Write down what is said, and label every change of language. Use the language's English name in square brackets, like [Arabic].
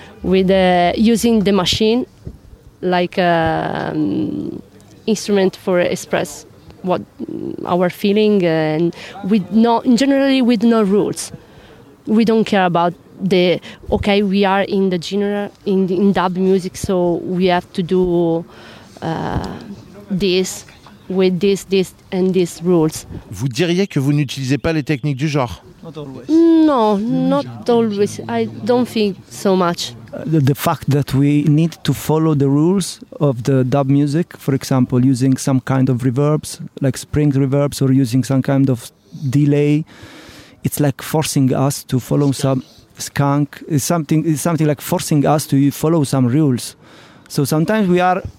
[English] With using the machine like an instrument for express what our feeling, and with generally with no rules. We don't care about we are in the general in dub music, so we have to do this with this and this rules. [French] Vous diriez que vous n'utilisez pas les techniques du genre? [English] Not always. I don't think so much. The fact that we need to follow the rules of the dub music, for example, using some kind of reverbs, like spring reverbs, or using some kind of delay, it's like forcing us to follow something like forcing us to follow some rules. So sometimes we are